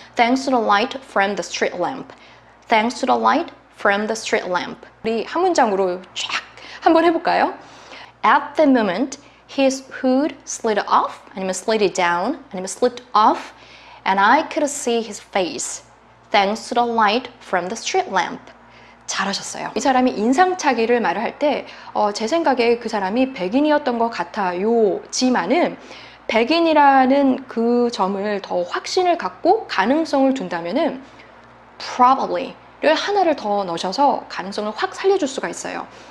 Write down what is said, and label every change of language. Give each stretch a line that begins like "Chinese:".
English: Thanks to the light from the street lamp. Thanks to the light from the street lamp.
Korean: 우리 한 문장으로 쫙 한번 해볼까요?
English: At the moment, his hood slid off,
Korean: 아니면
English: slid it down, 아니면 slipped off, and I could see his face. Thanks to the light from the street lamp.
Korean: 잘하셨어요. 이 사람이 인상착의를 말을 할 때 제 생각에 그 사람이 백인이었던 것 같아요. 지만은 백인이라는 그 점을 더 확신을 갖고 가능성을 둔다면은 probably를 하나를 더 넣으셔서 가능성을 확 살려줄 수가 있어요.